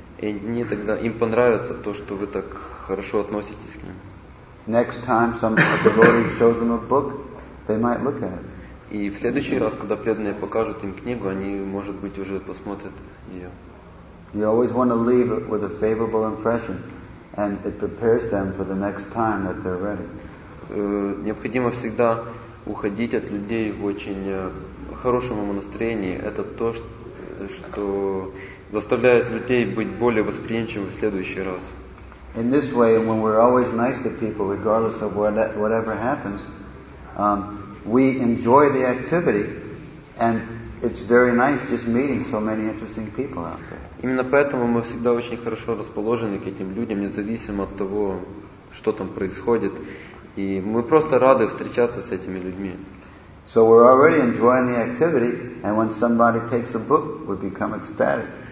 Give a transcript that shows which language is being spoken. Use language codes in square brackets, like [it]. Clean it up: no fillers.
[ru] И мне тогда им понравится то, что вы так хорошо относитесь к ним. [en] Next time some devotee shows them a book, they might look at it. [ru] И в следующий раз, когда преданные покажут им книгу, они, может быть, уже посмотрят ее. [en] You always want to leave it with a favorable impression, and it prepares them for the next time that they're ready. [ru] Необходимо всегда уходить от людей в очень хорошем настроении. Это то, что заставляет людей быть более восприимчивым в следующий раз. [en] In this way, when we're always nice to people, regardless of whatever happens, we enjoy the activity, and it's very nice just meeting so many interesting people out there. [ru] Именно поэтому мы всегда очень хорошо расположены к этим людям, независимо от того, что там происходит, и мы просто рады встречаться с этими людьми. [en] So we're already enjoying the activity, and when somebody takes a book, we become ecstatic.